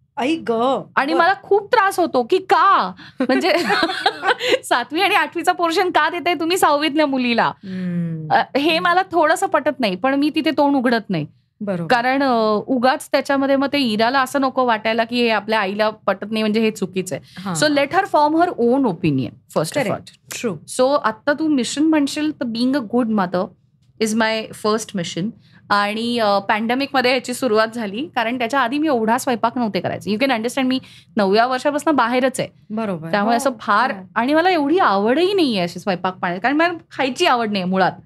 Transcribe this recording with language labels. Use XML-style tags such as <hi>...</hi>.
<mr>आणि मला खूप त्रास होतो की का, म्हणजे 7वी आणि 8वीचा पोर्शन का देत आहे तुम्ही 6वीतल्या मुलीला, हे मला थोडंसं पटत नाही, पण मी तिथे तोंड उघडत नाही. बरोबर. कारण उगाच त्याच्यामध्ये मग ते इराला असं नको वाटायला की हे आपल्या आईला पटत नाही, म्हणजे हे चुकीचं आहे.</mr> <en>So let her form her own opinion first of all. True.</en> <mr>So आत्ता तू मिशन म्हणशील तर</mr> <en>Being a good mother is my first mission.</en> <mr>आणि पॅन्डेमिकमध्ये याची सुरुवात झाली कारण त्याच्या आधी मी एवढा स्वयंपाक नव्हते करायचे.</mr> <en>you can understand मी</en> <mr>9व्या वर्षापासून बाहेरच आहे. बरोबर. त्यामुळे असं फार आणि मला एवढी आवडही नाही आहे अशी स्वयंपाक पाण्याची, कारण मला खायची आवड नाही मुळात.</mr>